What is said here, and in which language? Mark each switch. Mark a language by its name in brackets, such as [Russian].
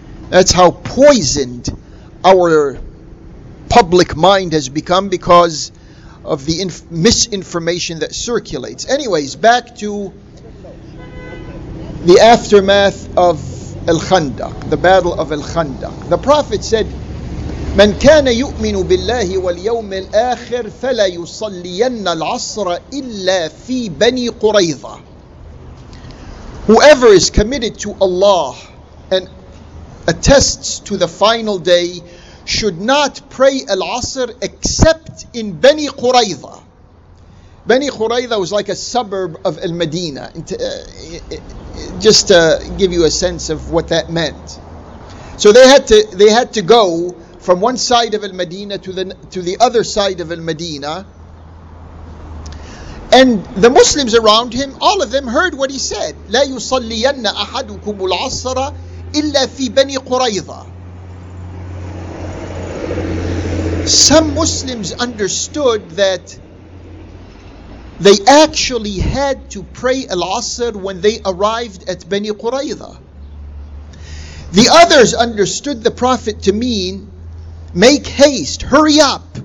[English] That's how poisoned our public mind has become because of the misinformation that circulates. Anyways, back to the aftermath of Al-Khandaq, the Battle of Al-Khandaq. The Prophet said, [Arabic] من كان يؤمن بالله واليوم الآخر فلا يصلين العصر إلا في بني قريظة. [English] Whoever is committed to Allah and attests to the final day should not pray al-Asr except in Bani Qurayza. Bani Qurayza was like a suburb of Al-Madinah. Just to give you a sense of what that meant. So they had to go from one side of Al-Madinah to the other side of Al-Madinah. And the Muslims around him, all of them heard what he said. [Arabic] لا يصلين أحدكم العصر إلا في بني قريظة. [English] Some Muslims understood that they actually had to pray Al-Asr when they arrived at Bani Qurayza. The others understood the Prophet to mean, make haste, hurry up.